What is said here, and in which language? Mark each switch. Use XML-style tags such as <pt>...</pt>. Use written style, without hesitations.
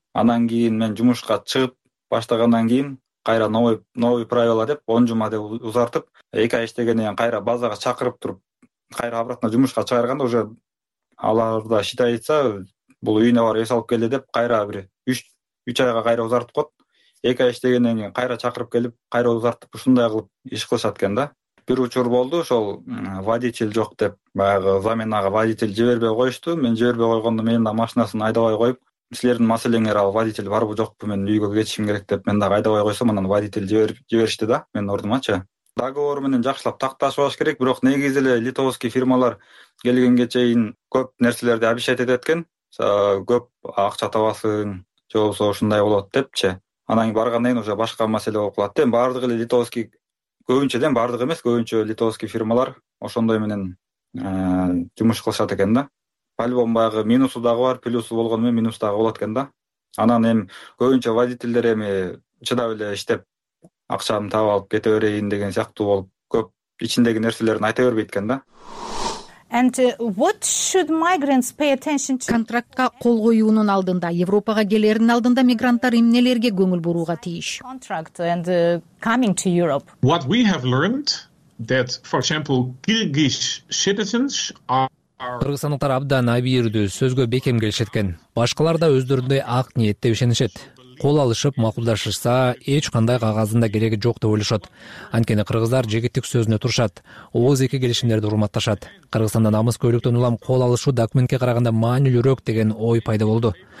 <ky>Анан кийин мен жумушка чыгып баштагандан кийин кайра</ky> <ru>новый правила</ru> <ky>деп 10 жума деп узартып, 2 ай иштегенден кийин кайра базага чакырып туруп, кайра обратно жумушка чыгарганда</ky> <ru>уже</ru> <ky>аларда</ky> <ru>считается,</ru> <ky>бул үйүнө барып эс алып келди деп кайра бир 3 айга кайра узартып коет. 2 ай иштегенден кийин кайра чакырып келип, кайра узартып ушундай кылып иш кылышат экен да. Бир учур болду, ошол водитель жок деп баягы заменага водитель жибербей коюшту. Мен жибербей койгондо менин да машинасын айдабай коюп, силердин маселеңер ал водитель барбы жокпу, мен үйгө кетишим керек деп мен дагы айдабай койсом, анан водитель жиберишти да менин ордумачы. Договор менен жакшылап такташпаш керек, бирок негизи эле литовский фирмалар келгенге чейин көп нерселерди</ky> <ru>обещать</ru> <ky>этет экен, көп акча табасың, же болбосо ушундай болот депчи. Анан баргандан кийин</ky> <ru>уже</ru> <ky>башка маселе болуп калат да. Эми баардык эле литовский, көбүнчө дем баардык эмес, көбүнчө литовский фирмалар ошондой менен жумуш кылышат экен да.</ky> <ru>По-любому</ru> <ky>баягы минусу дагы бар, плюсу болгону менен минус дагы болот экен да. Анан эми көбүнчө водительдер эми чыдап эле иштеп акчамды таап алып кете берейин деген сыяктуу болуп, көп ичиндеги нерселерин айта бербейт экен да.</ky> <en>And what should migrants pay attention to?</en> <ky>Контрактка кол коюунун алдында, Европага келердин алдында мигранттар эмнелерге көңүл бурууга тийиш?</ky> <en>Contract and coming to Europe. What we have learned that, for example, Kyrgyz citizens are</en> <ky>кыргызстандыктар абдан абийирдүү, сөзгө бекем келишет экен. Башкалар да өздөрүндөй ак ниетте ишенишет. Кол алышып макулдашышса эч кандай кагаздын да кереги жок деп ойлошот. Анткени кыргыздар жегиттик сөзүнө турушат, ооз эки келишимдерди урматташат. Кыргызстанда намыс көйлөктөн улам кол алышуу документке караганда маанилүүрөөк деген ой пайда болду.</ky>